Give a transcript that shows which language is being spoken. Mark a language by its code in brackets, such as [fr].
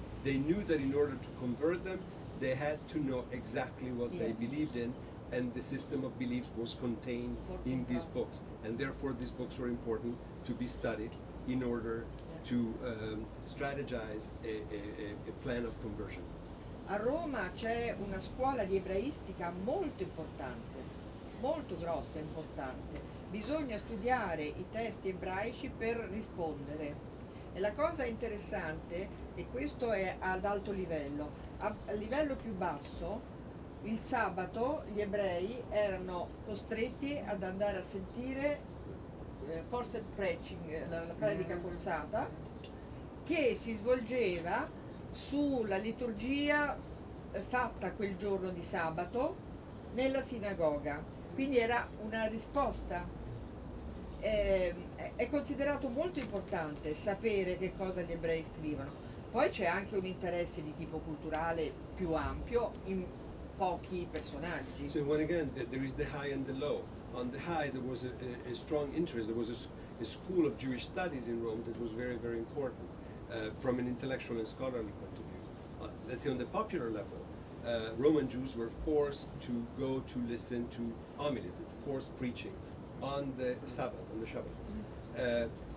[en] They knew that in order to convert them, they had to know exactly what they believed in, and the system of beliefs was contained in these books. And therefore, these books were important to be studied in order to strategize a plan of conversion. [it] A Roma c'è una scuola di ebraistica molto importante, molto grossa e importante. Bisogna studiare i testi ebraici per rispondere. E la cosa interessante, e questo è ad alto livello, a livello più basso, il sabato gli ebrei erano costretti ad andare a sentire [en] forced preaching, [it] la predica forzata, che si svolgeva sulla liturgia fatta quel giorno di sabato nella sinagoga. Quindi era una risposta. È considerato molto importante sapere che cosa gli ebrei scrivono. Poi c'è anche un interesse di tipo culturale più ampio in pochi personaggi. [en] So when again there is the high and the low. On the high there was a strong interest. There was a school of Jewish studies in Rome that was very very important from an intellectual and scholarly point of view. Let's say on the popular level, Roman Jews were forced to go to listen to homilies, forced preaching on the Sabbath, on the Shabbat.